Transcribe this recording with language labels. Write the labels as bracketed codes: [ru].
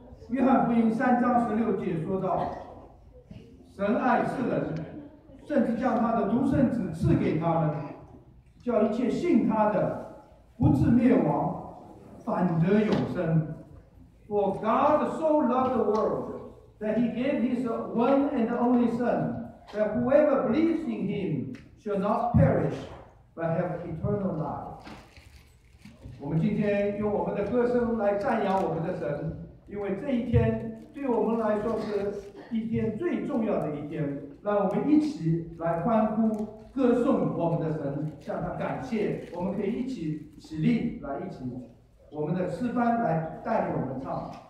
[zh] 约翰福音三章十六节说道，神爱世人，甚至将他的独生子赐给他们，叫一切信他的不至灭亡，反得永生。 [en] For God so loved the world that he gave his one and only son, that whoever believes in him shall not perish but have eternal life. [zh] 我们今天用我们的歌声来赞扬我们的神，因为这一天对我们来说是一天最重要的一天，让我们一起来欢呼歌颂我们的神，向他感谢。我们可以一起起立来，一起我们的诗班来带领我们唱。